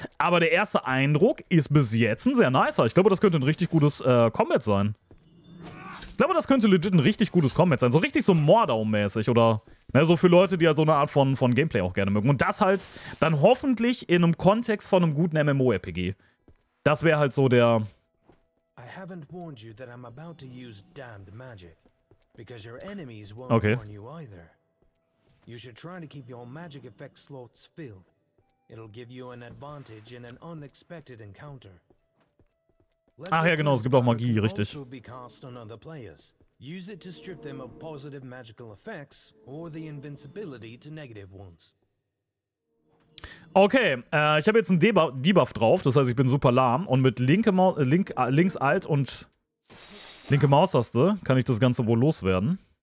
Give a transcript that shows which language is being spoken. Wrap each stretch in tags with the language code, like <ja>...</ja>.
<de>Aber der erste Eindruck ist bis jetzt ein sehr nicer. Ich glaube, das könnte ein richtig gutes Combat sein. Ich glaube, das könnte legit ein richtig gutes Combat sein. So richtig so Mordau-mäßig oder ne, so für Leute, die halt so eine Art von Gameplay auch gerne mögen. Und das halt dann hoffentlich in einem Kontext von einem guten MMO-RPG. Das wäre halt so der...</de> <en>I haven't warned you that I'm about to use damned magic, because your enemies won't warn you either. You should try to keep your magic effect slots filled. It'll give you an advantage in an unexpected encounter.</en> <de>Ach ja, genau, es gibt auch Magie, richtig.</de> <en>Use it to strip them of positive magical effects or the invincibility to negative ones.</en> <de>Okay, ich habe jetzt einen Debuff drauf, das heißt, ich bin super lahm und mit links alt und linke Maustaste kann ich das Ganze wohl loswerden.</de>